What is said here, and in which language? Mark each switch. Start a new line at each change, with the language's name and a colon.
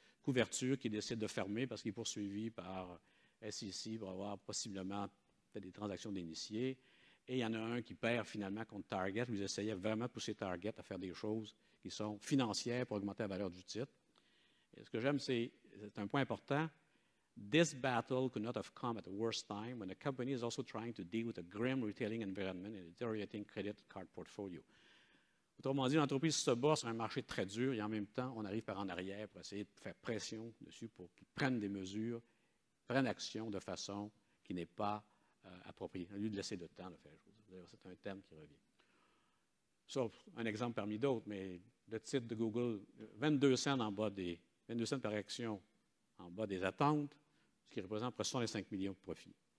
French: couverture qu'il décide de fermer parce qu'il est poursuivi par SEC pour avoir possiblement fait des transactions d'initiés. Et il y en a un qui perd finalement contre Target, où ils essayaient vraiment de pousser Target à faire des choses qui sont financières pour augmenter la valeur du titre. Et ce que j'aime, c'est un point important.
English: This battle could not have come at the worst time when a company is also trying to deal with a grim retailing environment and a deteriorating credit card portfolio.
French: Autrement dit, l'entreprise se bat sur un marché très dur et en même temps, on arrive par en arrière pour essayer de faire pression dessus pour qu'ils prennent des mesures, prennent action de façon qui n'est pas appropriée, au lieu de laisser le temps de faire les choses. D'ailleurs, c'est un terme qui revient. Sauf un exemple parmi d'autres, mais le titre de Google, 22 cents par action en bas des attentes, ce qui représente près de 65 millions de profits.